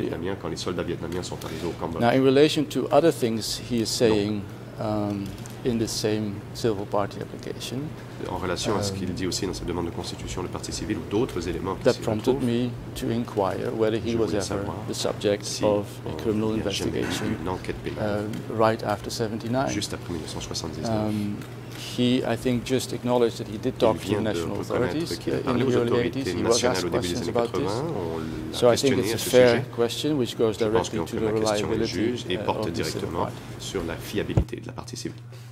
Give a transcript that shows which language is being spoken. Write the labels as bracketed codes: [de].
[fr] Des Vietnamiens quand les soldats vietnamiens sont arrivés au Cambodge. [en] Now, in relation to other things he is saying in the same civil party application, [fr] en relation à ce qu'il dit aussi dans sa demande de constitution le parti civil ou d'autres éléments [en] that prompted me to inquire whether he was ever the subject [fr] si [en] of a criminal investigation right after 79. [fr] Juste après 1979. [en] He, I think, just acknowledged that he did talk to the national authorities in the early 80s. He was asked questions about this. So I think it's a fair question which goes directly to the reliability of the [fr] directement sur la fiabilité de la partie civile.